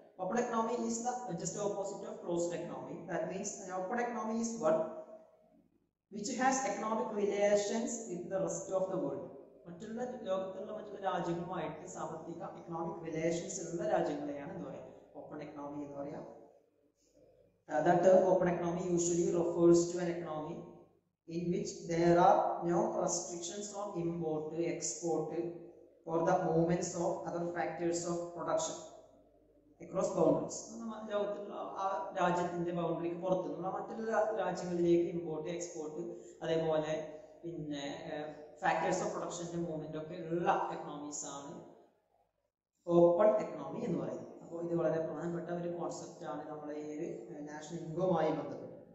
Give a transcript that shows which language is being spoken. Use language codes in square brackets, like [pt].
[en] Open economy is the just opposite of closed economy. That means open economy is one which has economic relations with the rest of the world. [ml] മറ്റുള്ള ലോകത്തുള്ള മറ്റുള്ള രാജ്യങ്ങളുമായിട്ട് സാമ്പത്തിക economic relations ഉള്ള രാജ്യങ്ങളെയാണ് എന്ന് പറയാം open economy എന്ന് പറയാം. [en] That term open economy usually refers to an economy in which there are no restrictions on import, export or the movements of other factors of production across boundaries. [ml] ലോകത്തിലുള്ള ആ രാജ്യത്തിന്റെ ബൗണ്ടറിക്ക് പുറത്ത് നിന്നുള്ള മറ്റുള്ള രാജ്യങ്ങളിലേക്ക് ഇമ്പോർട്ട് എക്സ്പോർട്ട് അതേപോലെ പിന്നെ ഫാക്ടേഴ്സ് ഓഫ് പ്രൊഡക്ഷന്റെ മൂവ്മെന്റ് ഒക്കെ ഉള്ള എക്കണോമീസ് ആണ് ഓപ്പൺ എക്കണോമി എന്ന് പറയുന്നത്. അപ്പോൾ ഇത് വളരെ പ്രധാനപ്പെട്ട ഒരു കോൺസെപ്റ്റ് ആണ് നമ്മളെ ഈ ഒരു നാഷണൽ ഇൻകവുമായി ബന്ധപ്പെട്ട്.